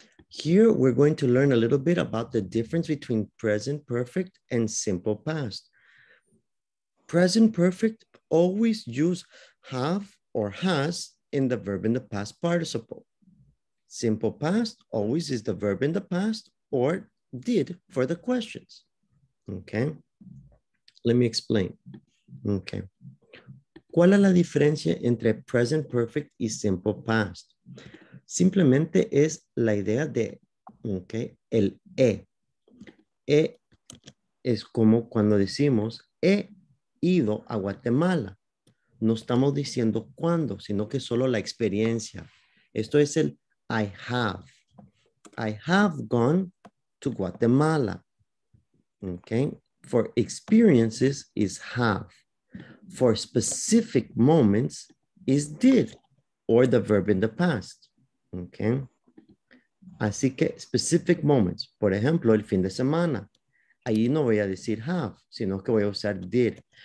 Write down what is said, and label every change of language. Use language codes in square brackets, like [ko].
[en] Here, we're going to learn a little bit about the difference between present perfect and simple past. Present perfect always use have or has in the verb in the past participle. Simple past always is the verb in the past or did for the questions. Okay, let me explain. [es] Okay, ¿cuál es la diferencia entre present perfect y simple past? Simplemente es la idea de, okay, el E. E es como cuando decimos, he ido a Guatemala. No estamos diciendo cuándo, sino que solo la experiencia. Esto es el [en] I have. I have gone to Guatemala. Okay, for experiences is have. For specific moments is did, or the verb in the past. Okay. [es] Así que [en] specific moments, [es] por ejemplo, el fin de semana. Ahí no voy a decir have, sino que voy a usar did.